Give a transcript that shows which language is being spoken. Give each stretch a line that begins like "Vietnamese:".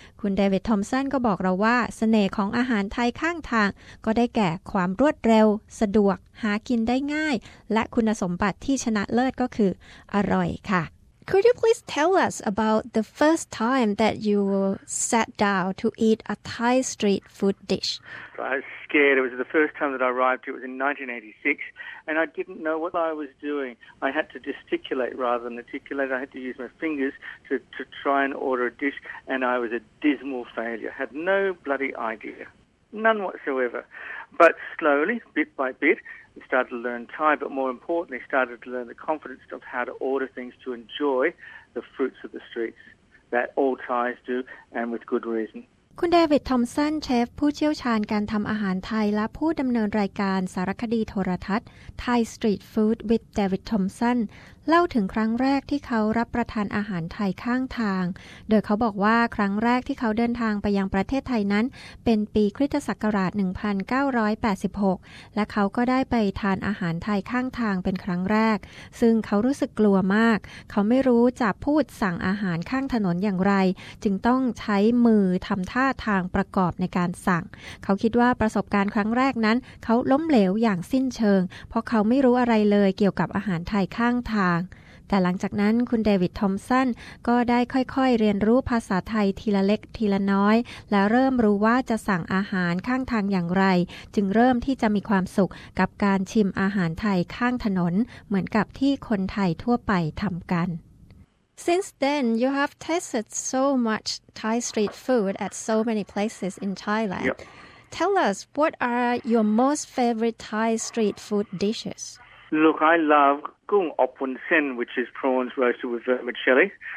Thai: คุณเดวิดทอมสันก็บอกเราว่าเสน่ห์ของอาหารไทยข้างทางก็ได้แก่ความรวดเร็วสะดวกหากินได้ง่ายและคุณสมบัติที่ชนะเลิศก็คืออร่อยค่ะ
English: Could you please tell us about the first time that you sat down to eat a Thai street food dish? Scared. It was the first time that I arrived. It was in 1986, and I didn't know what I was doing. I had to gesticulate rather than articulate. I had to use my fingers to try and order a dish, and I was a dismal failure. Had no bloody idea, none whatsoever. But slowly, bit by bit, I started to learn Thai. But more importantly, started to learn the confidence of how to order things to enjoy the fruits of the streets that all Thais do, and with good reason.
Thai: คุณเดวิดทอมสันเชฟผู้เชี่ยวชาญการทำอาหารไทยและผู้ดำเนินรายการสารคดีโทรทัศน์ Thai Street Food with David Thompson เล่าถึงครั้งแรกที่เขารับประทานอาหารไทยข้างทางโดยเขาบอกว่าครั้งแรกที่เขาเดินทางไปยังประเทศไทยนั้นเป็นปีคริสตศักราช 1986และเขาก็ได้ไปทานอาหารไทยข้างทางเป็นครั้งแรกซึ่งเขารู้สึกกลัวมากเขาไม่รู้จะพูดสั่งอาหารข้างถนนอย่างไรจึงต้องใช้มือทำท่าทางประกอบในการสั่งเขาคิดว่าประสบการณ์ครั้งแรกนั้นเขาล้มเหลวอย่างสิ้นเชิงเพราะเขาไม่รู้อะไรเลยเกี่ยวกับอาหารไทยข้างทาง แต่หลังจากนั้นคุณเดวิดทอมสันก็ได้ค่อยๆเรียนรู้ภาษาไทยทีละเล็กทีละน้อยและเริ่มรู้ว่าจะสั่งอาหารข้างทางอย่างไรจึงเริ่มที่จะมีความสุขกับการชิมอาหารไทยข้างถนนเหมือนกับที่คนไทยทั่วไปทำกัน
English: Since then you have tasted so much Thai street food at so many places in Thailand. Yep. Tell us what are your most favorite Thai street food dishes? Look, I love Kung Op Wun Sen, which is prawns roasted with vermicelli.